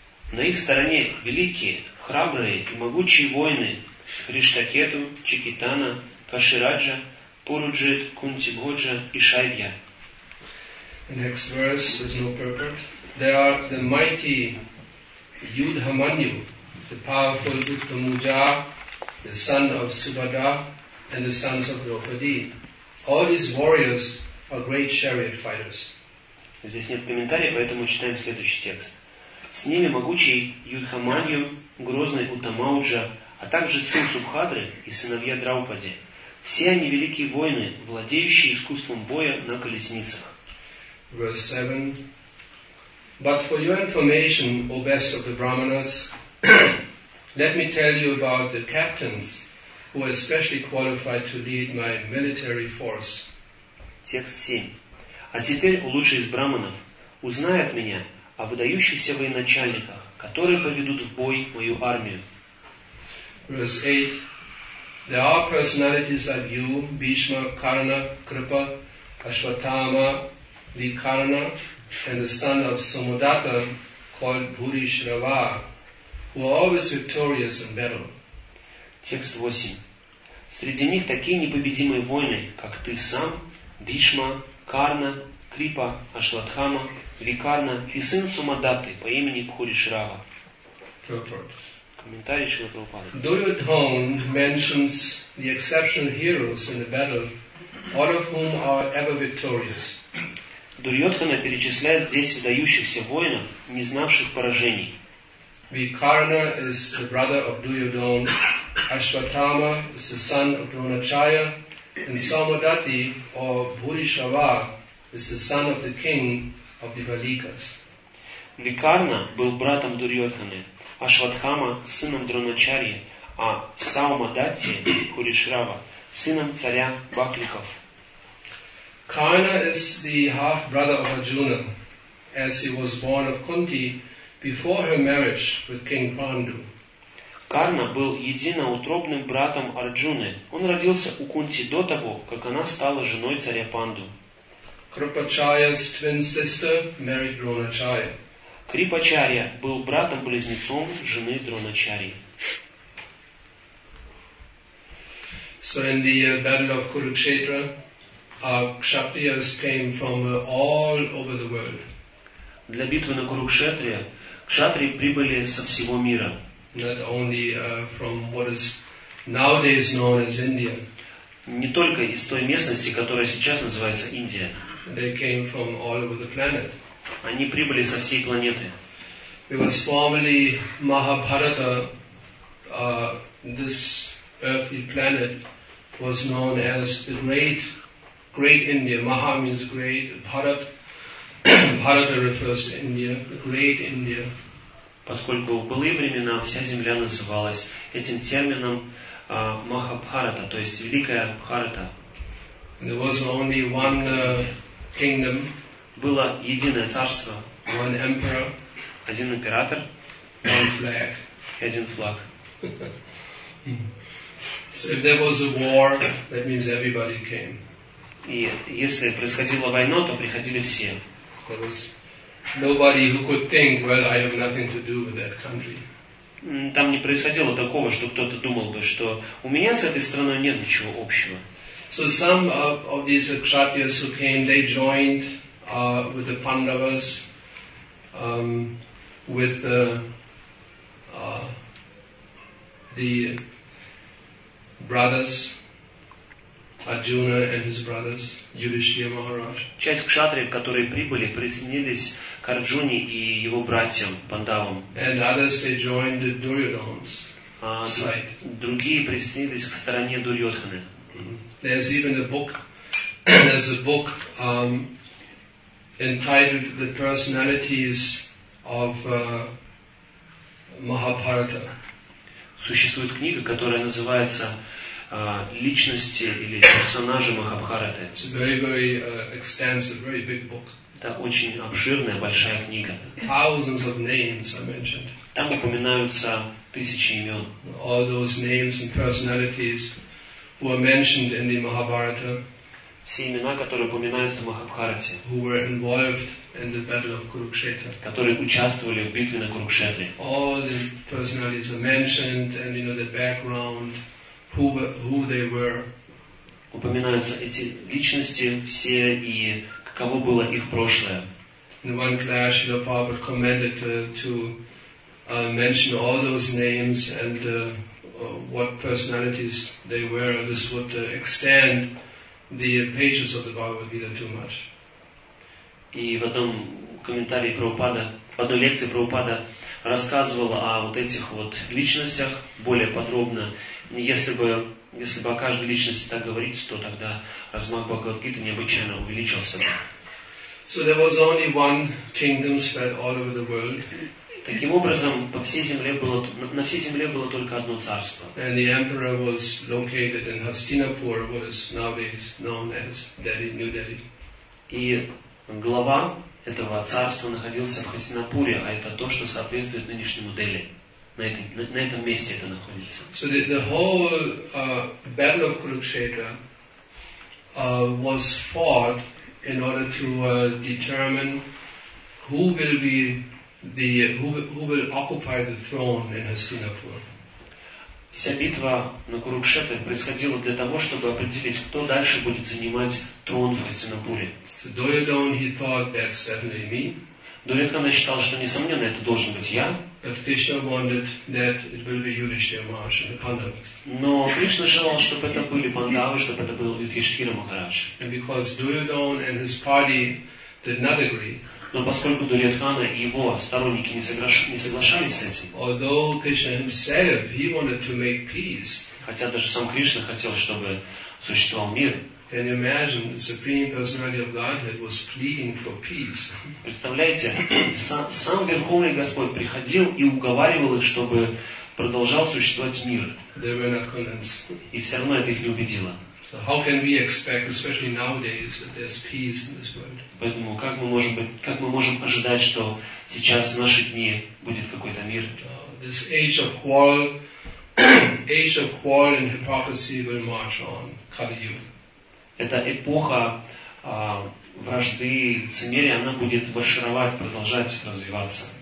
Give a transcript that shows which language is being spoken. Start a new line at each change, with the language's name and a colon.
Russian: На их стороне великие, храбрые и могучие воины Риштакету, Чикитана, Кашираджа, Пуруджит, Кунтибходжа и Шайбья.
English: The next verse is no purport. They are the mighty Yudhamanyu, the powerful Uttamuja, the son of Subhadra, and the sons of Draupadi. All these warriors are great chariot fighters.
Russian: Здесь нет комментария, поэтому читаем следующий текст. С ними могучий Юдхаманью, грозный Утамауджа, а также сын Субхадры и сыновья Драупади. Все они великие воины, владеющие искусством боя на колесницах.
English: Verse 7. But for your information, O best of the Brahmanas, let me tell you about the captains who are especially qualified to lead my military force.
Russian: Текст 7. А теперь, лучший из браманов, узнай от меня о выдающихся военачальниках, которые поведут в бой мою армию.
English: Verse 8. There are personalities like you, Bhishma, Karna, Kripa, Ashwatthama, Vikarna, and the son of Somodatta called Bhurishrava, who are always victorious in battle.
Russian: Текст 8. Среди них такие непобедимые воины, как ты сам, Бишма, Карна, Крипа, Ашватхама, Викарна и сын Сумадаты по имени Бхуришрава. Комментарий Шрила Прабхупады.
English: Дурьодхон mentions the exceptional heroes in the battle, all of whom are ever victorious.
Russian: Дурьодхона перечисляет здесь выдающихся воинов, не знавших поражений.
English: Викарна is the brother of Дурьодхон, Ашватхама is the son of Дроначая, and Somadatti, or Bhurishrava, is the son of the king of the Valikas.
Russian: Викарна был братом Дурьодханы, Ашватхама сыном Дроначарьи, а Саумадатти, Бхуришрава, сыном царя Бакликов.
English: Karna is the half-brother of Arjuna, as he was born of Kunti before her marriage with King Pandu.
Russian: Карна был единоутробным братом Арджуны. Он родился у Кунти до того, как она стала женой царя Панду.
English: Крипачарья's twin sister married Дроначарья.
Russian: Крипачарья был братом-близнецом жены Дроначарьи.
English: So in the battle of Kurukshetra, Kshatriyas came from all over the world.
Russian: Для битвы на Курукшетре кшатрии прибыли со всего мира.
English: Not only from what is nowadays known as India.
Russian: Не только из той местности, которая сейчас называется Индия.
English: They came from all over the planet.
Russian: Они прибыли со всей планеты.
English: It was formerly Mahabharata. This earthly planet was known as the great India. Maha means great. Bharat. Bharata refers to India. The great India.
Russian: Поскольку в былые времена вся земля называлась этим термином Махабхарата, то есть Великая Бхарата.
English: There was only one kingdom.
Russian: Было единое царство.
English: One emperor.
Russian: Один император.
English: One flag.
Russian: Один флаг.
English: So if there was a war, that means everybody came.
Russian: И если происходила война, то приходили все.
English: Nobody who could think, well, I have nothing to do with that country.
Russian: Там не происходило такого, что кто-то думал бы, что у меня с этой страной нет ничего общего.
English: So some of these kshatriyas who came, they joined with the Pandavas, with the brothers. Arjuna and his brothers, Yudhishthira Maharaj.
Russian: Часть кшатриев, которые прибыли, присоединились к Арджуне и его братьям Пандавам.
English: And others they joined the Duryodhana's side.
Russian: Другие присоединились к стороне Дурьодханы.
English: There's even a book. There's a book entitled "The Personalities of Mahabharata."
Russian: Существует книга, которая называется личности или персонажи Махабхараты.
English: It's a very, very extensive, very big book.
Russian: Это очень обширная, большая книга.
English: Thousands of names are mentioned.
Russian: Там упоминаются тысячи имен.
English: All those names and personalities who are mentioned in the Mahabharata.
Russian: Все имена, которые упоминаются в Махабхарате.
English: Who were involved in the battle of Kurukshetra.
Russian: Которые участвовали в битве на Курукшетре.
English: All the personalities are mentioned and, you know, the background. Who they were.
Russian: Упоминаются эти личности все и каково было их прошлое.
English: In one class, Srila Prabhupada commented to mention all those names and what personalities they were. This would extend the pages of the Bible would be there too much.
Russian: И в одном комментарии Прабхупада, в одной лекции Прабхупада рассказывал о вот этих вот личностях более подробно. Если бы о каждой личности так говорить, то тогда размах Бхагавад-гиты необычайно увеличился бы.
English: So there was only one kingdom spread all over the world.
Russian: Таким образом, на всей земле было только одно царство.
English: And the emperor was located in Hastinapur, what is nowadays known as Delhi, New Delhi.
Russian: И глава этого царства находился в Хастинапуре, а это то, что соответствует нынешнему Дели. На этом месте это находится.
English: So the whole battle of Kurukshetra was fought in order to determine who will occupy the throne in Hastinapur.
Russian: Вся битва на Курукшетре происходила для того, чтобы определить, кто дальше будет занимать трон в Хастинапуре.
English: So Duryodhana, he thought that's definitely me.
Russian: Duryodhana считал, что несомненно это должен быть я.
English: But Krishna wanted that it will be Yudhishthira Maharaj and the Pandavas.
Russian: Но Кришна желал, чтобы это были Пандавы, чтобы это был Юдхиштхира Махарадж.
English: And because Duryodhana and his party did not agree.
Russian: Но поскольку Дурьятхана и его сторонники не соглашались с этим.
English: Although Krishna himself he wanted to make peace.
Russian: Хотя даже сам Кришна хотел, чтобы существовал мир.
English: Can you imagine the Supreme Personality of Godhead was pleading for peace?
Russian: Представляете, сам Верховный Господь приходил и уговаривал их, чтобы продолжал существовать мир.
English: They were not convinced.
Russian: И все равно это их не убедило.
English: So how can we expect, especially nowadays, that there's peace in this world?
Russian: Поэтому как мы можем ожидать, что сейчас в наши дни будет какой-то мир?
English: This age of quarrel and hypocrisy will march on. Kali Yuga.
Russian: Эта эпоха вражды и лицемерия, она будет маршировать, продолжать развиваться.